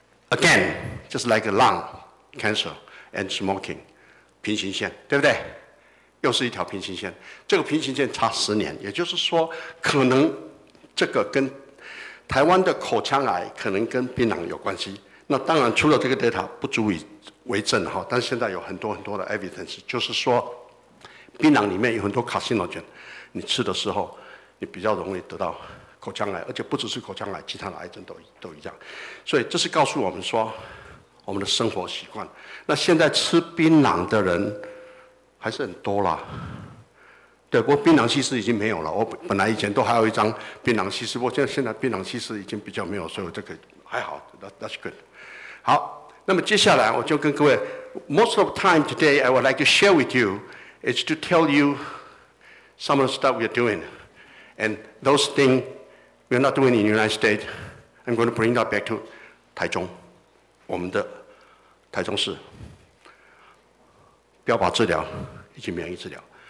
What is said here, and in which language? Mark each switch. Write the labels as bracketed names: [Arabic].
[English] Again, just like lung cancer and smoking, 平行线，对不对？ [Chinese] 又是一条平行线。这个平行线差10年，也就是说，可能这个跟台湾的口腔癌可能跟槟榔有关系。那当然，除了这个 data 不足以为证哈，但是现在有很多很多的 evidence， 就是说，槟榔里面有很多 carcinogen， 你吃的时候，你比较容易得到。口腔癌，而且不只是口腔癌，其他的癌症都一样，所以这是告诉我们说我们的生活习惯。那现在吃槟榔的人还是很多啦，对，不过槟榔西施已经没有了，我本来以前都还有一张槟榔西施，不过现在槟榔西施已经比较没有，所以这个还好， that's good。 [English] 好，那么接下来我就跟各位 most of time today I would like to share with you is to tell you some of the stuff we are doing and those thingsWe're not doing in the United States. [Chinese] I'm going to bring that back to 台中，我们的台中市标靶治疗以及免疫治疗。